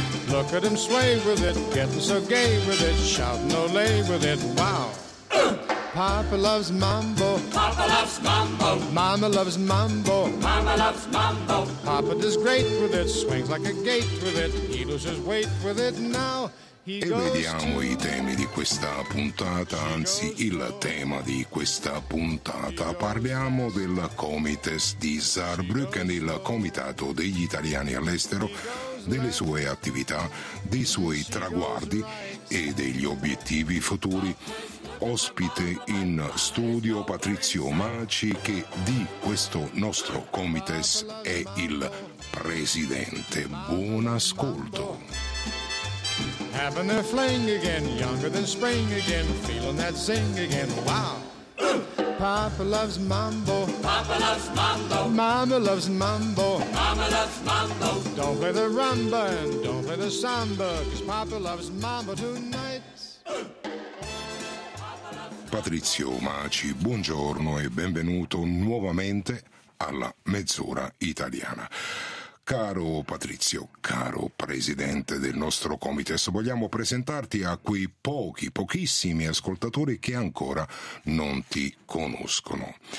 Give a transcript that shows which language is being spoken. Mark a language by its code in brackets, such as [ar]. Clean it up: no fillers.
[en] Look at him sway with it, getting so gay with it, shouting ole with it, wow. Papa loves mambo, papa loves mambo. Mama loves mambo, mama loves mambo. Papa does great with it, swings like a gate with it, he loses weight with it now. [it] E vediamo i temi di questa puntata, anzi il tema di questa puntata. Parliamo del Comites di Saarbrücken, il Comitato degli Italiani all'estero, delle sue attività, dei suoi traguardi e degli obiettivi futuri. Ospite in studio Patrizio Maci, che di questo nostro Comites è il presidente. Buon ascolto. [en] Having their fling again, younger than spring again, feeling that zing again, wow. Papa loves mambo, papa loves mambo. Mama loves mambo, mama loves mambo. Don't play the rumba and don't play the samba, 'cause papa loves mambo tonight. [it] Patrizio Maci, buongiorno e benvenuto nuovamente alla Mezz'ora Italiana. Caro Patrizio, caro presidente del nostro Comites, vogliamo presentarti a quei pochi, pochissimi ascoltatori che ancora non ti conoscono.